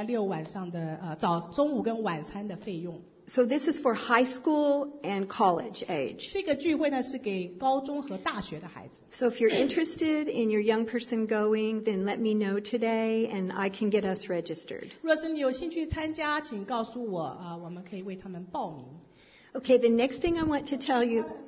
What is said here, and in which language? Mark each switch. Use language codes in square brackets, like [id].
[zh] 参加的费用呢，就是10块钱的注册费，还有自己带第二天礼拜六晚上的早中午跟晚餐的费用。 [en] So this is for high school and college age. [zh] 这个聚会呢是给高中和大学的孩子。 [en] So if you're interested in your young person going, then let me know today and I can get us registered. [zh] 若是你有兴趣参加，请告诉我，我们可以为他们报名。 [en] Okay, the next thing I want to tell you.